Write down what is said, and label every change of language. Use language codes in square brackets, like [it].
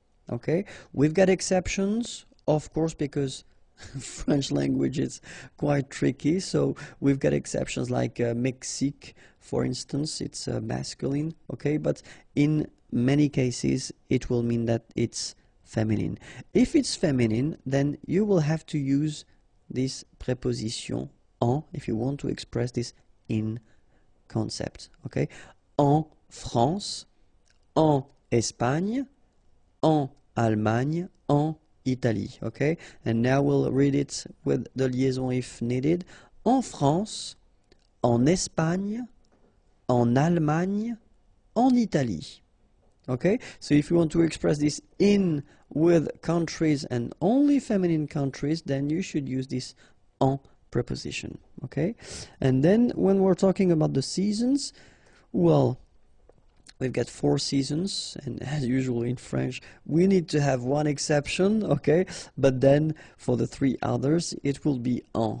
[en] Okay, we've got exceptions, of course, because French language is quite tricky, so we've got exceptions like Mexique, for instance, it's masculine, okay, but in many cases, it will mean that it's feminine. If it's feminine, then you will have to use this preposition en if you want to express this in concept. [fr] Okay, en France, en Espagne, en Allemagne, en Italie. [en] Okay, and now we'll read it with the liaison if needed. [fr] En France, en Espagne, en Allemagne, en Italie. [en] Okay, so if you want to express this in with countries and only feminine countries, then you should use this en preposition. Okay, and then when we're talking about the seasons, well, we've got 4 seasons, and as usual in French, we need to have one exception, okay, but then for the 3 others, it will be en.